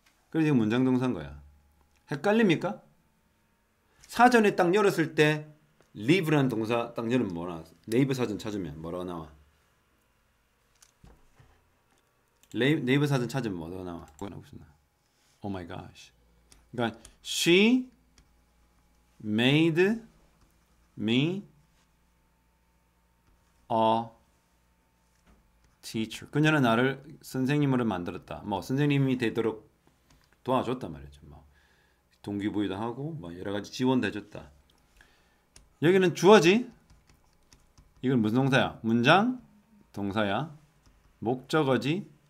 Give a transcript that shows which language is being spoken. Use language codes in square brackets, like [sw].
[ko] 그래서 이게 문장 동사인 거야. 헷갈립니까? 사전에 딱 열었을 때 leave라는 동사 딱 열으면 뭐라 네이버 사전 찾으면 뭐라고 나와? 네이버 사전 찾으면 뭐라고 나와? 뭐라고 나와? [en] Oh my gosh. [ko] 그러니까 [en] she made me a teacher. [ko] 그녀는 나를 선생님으로 만들었다. 뭐 선생님이 되도록 도와줬단 말이죠. 뭐 동기부여도 하고 뭐 여러 가지 지원도 해줬다. 여기는 주어지. 이건 무슨 동사야? 문장 동사야. 목적어지.